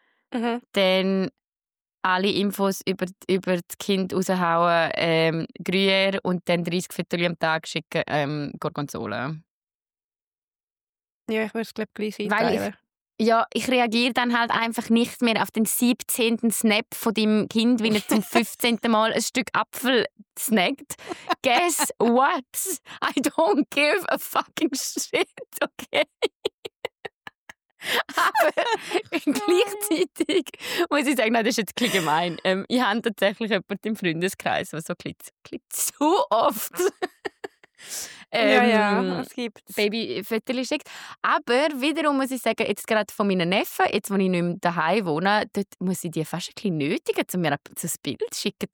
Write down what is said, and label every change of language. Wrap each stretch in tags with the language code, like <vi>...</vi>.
<de>Dann alle Infos über das Kind raushauen, Gruyère und dann 30 Viertel am Tag schicken, Gorgonzola. Ja, ich würde es, glaube ich, gleich einteilen. Ja, ich reagiere dann halt einfach nicht mehr auf den 17. Snap von deinem Kind, wenn er zum 15. Mal ein Stück Apfel snackt.</de> <en>Guess what? I don't give a fucking shit, okay?</en> <de>Aber gleichzeitig muss ich sagen, nein, das ist jetzt ein gemein. Ich habe tatsächlich jemanden im Freundeskreis, der so klickt zu oft. es gibt Babyfotos schickt. Aber wiederum muss ich sagen, jetzt gerade von meinen Neffen, jetzt wo ich nicht mehr daheim wohne, dort muss ich die fast ein bisschen nötigen, um mir ein Bild zu schicken.</de>